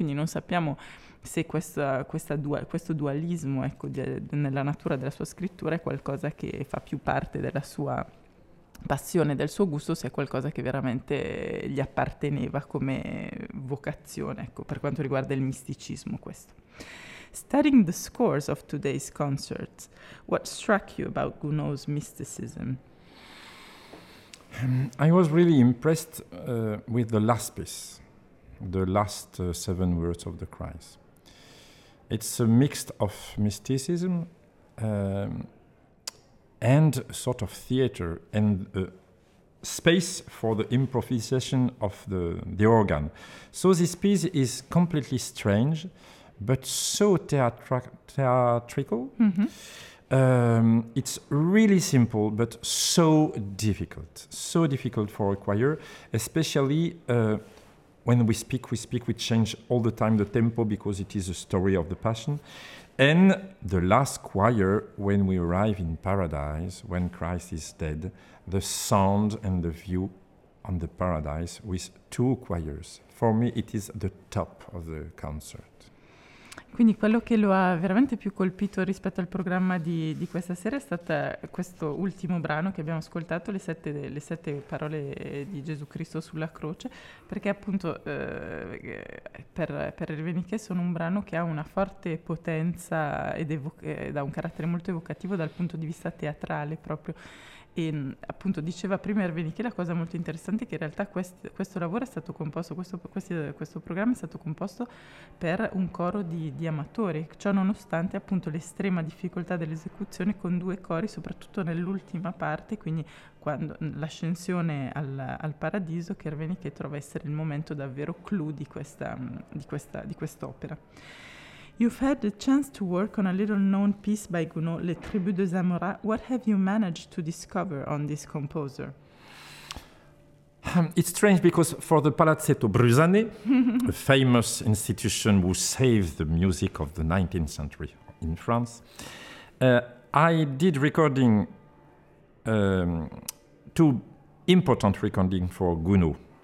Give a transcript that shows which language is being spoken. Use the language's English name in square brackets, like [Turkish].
[Italian] Quindi non sappiamo se questo dualismo, ecco, nella natura della sua scrittura è qualcosa che fa più parte della sua passione, del suo gusto, se è qualcosa che veramente gli apparteneva come vocazione, ecco, per quanto riguarda il misticismo questo. [English] Studying the scores of today's concerts, what struck you about Gounod's mysticism? I was really impressed with the last piece, the last seven words of the Cries. It's a mix of mysticism and sort of theater and space for the improvisation of the organ. So this piece is completely strange, but so theatrical. Mm-hmm. It's really simple, but so difficult. So difficult for a choir, especially when we speak, we change all the time the tempo because it is a story of the Passion. And the last choir, when we arrive in paradise, when Christ is dead, the sound and the view on the paradise with two choirs. For me, it is the top of the concert. [Italian] Quindi quello che lo ha veramente più colpito rispetto al programma di questa sera è stato questo ultimo brano che abbiamo ascoltato, le sette parole di Gesù Cristo sulla croce, perché appunto per Alvenichè sono un brano che ha una forte potenza ed ha un carattere molto evocativo dal punto di vista teatrale proprio. E appunto diceva prima Alvenichè la cosa molto interessante, che in realtà questo lavoro è stato composto, questo programma è stato composto per un coro di amatori, ciò nonostante appunto l'estrema difficoltà dell'esecuzione con due cori, soprattutto nell'ultima parte, quindi quando l'ascensione al paradiso, che Alvenichè trova essere il momento davvero clou di quest'opera. [English] You've had the chance to work on a little known piece by Gounod, Les Tribus de Zamora. What have you managed to discover on this composer? It's strange because for the Palazzetto Bruzzani, a famous institution who saved the music of the 19th century in France, I did recording two important recording for Gounod.